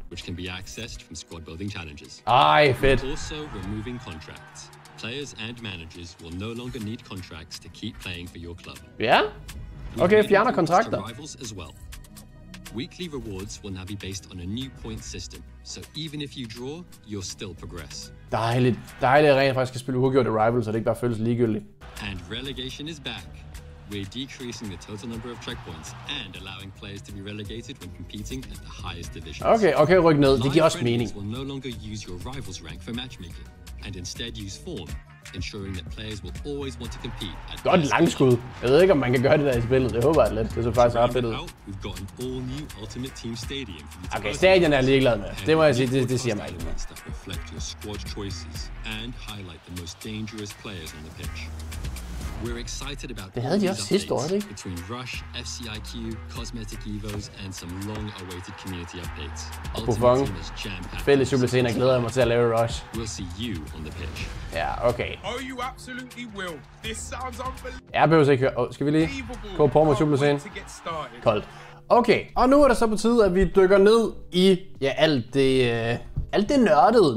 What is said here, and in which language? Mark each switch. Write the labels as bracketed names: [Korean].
[English] Which can be accessed from squad building challenges. [Danish] Ej, fedt. [English] Also removing contracts. Players and managers will no longer need contracts to keep playing for your club. Ja? [Danish] Okay, fjerner kontrakter. [English] Weekly rewards will now be based on a new point system. So even if you draw, you'll still progress. [Danish] Dejligt. Dejligt at rent faktisk kan spille uafgjort i Rivals, så det ikke bare føles ligegyldigt. [English] And relegation is back. We're decreasing the total number of checkpoints and allowing players to be relegated when competing at the highest divisions. [Danish] Okay, okay, ryk ned. Det giver også mening. [English] Will no longer use your rival's rank for matchmaking and instead use form, ensuring that players will always want to compete. [Danish] Godt langskud. Jeg ved ikke om man kan gøre det der i spillet. Det håber jeg lidt. Det er så faktisk ret fedt. [English] We've got an all new ultimate team stadium. [Danish] Okay, stadion er ligeglad med. Det må jeg sige, det siger mig ikke. [English] That reflect your squad choices and highlight the most dangerous players on the pitch. We're excited about the between Rush, FCIQ, Cosmetic Evos and some long awaited community updates. [Danish] Buffon, fælles jubilæscene, glæder jeg mig til at lave Rush. [English] We'll see you on the pitch. Ja, okay. Oh, you absolutely will. This sounds unbelievable. [Danish] Jeg behøver ikke høre. Oh, skal vi lige gå på med jubilæscene? Koldt. Okay, og nu er det så på tide, at vi dykker ned i ja, alt det nørdede.